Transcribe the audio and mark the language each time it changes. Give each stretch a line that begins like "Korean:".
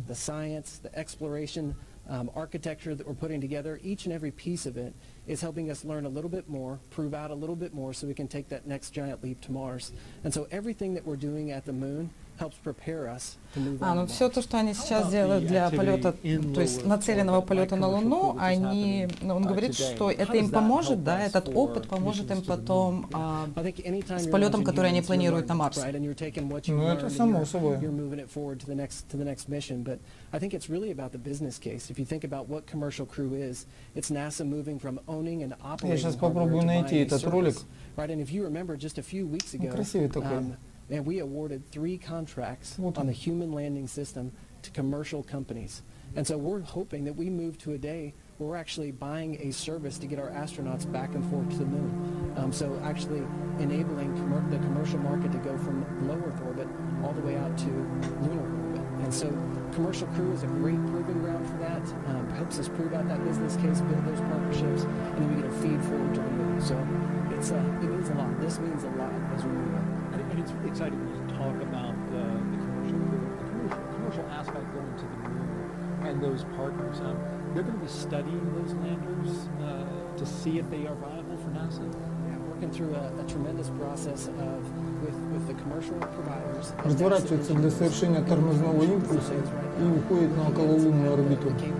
English: The science, the exploration, architecture that we're putting together, each and every piece of it is helping us learn a little bit more, prove out a little bit more, so we can take that next giant leap to Mars. And so everything that we're doing at the moon helps prepare us to move on.
Russian: Все то, что они сейчас делают для полета, то есть нацеленного полета на Луну, они, он говорит, что это им поможет, да, этот опыт поможет им потом с полетом, который они планируют на Марс. Ну, это само собой.
English: You're moving it forward to the next mission, but I think it's really about the business case. If you think about what commercial crew is, it's NASA moving from owning and operating.
Russian: Я сейчас попробую найти этот ролик.
English: Right, and if you remember just a few weeks ago.
Russian: Красивый такой.
English: And we awarded three contracts on the human landing system to commercial companies. And so we're hoping that we move to a day where we're actually buying a service to get our astronauts back and forth to the moon. So actually enabling the commercial market to go from low Earth orbit all the way out to lunar orbit. And so commercial crew is a great proving ground for that. Helps us prove out that business case, build those partnerships, and then we get a feed forward to the moon. So it's it means a lot. This means a lot as we move on. It's exciting to talk about the commercial aspect going to the moon and those partners. They're going to be studying those landers to see if they are viable for NASA. Yeah, working through a tremendous process of with the commercial providers.
Russian: Разворачивается для совершения тормозного импульса и уходит на окололунную орбиту.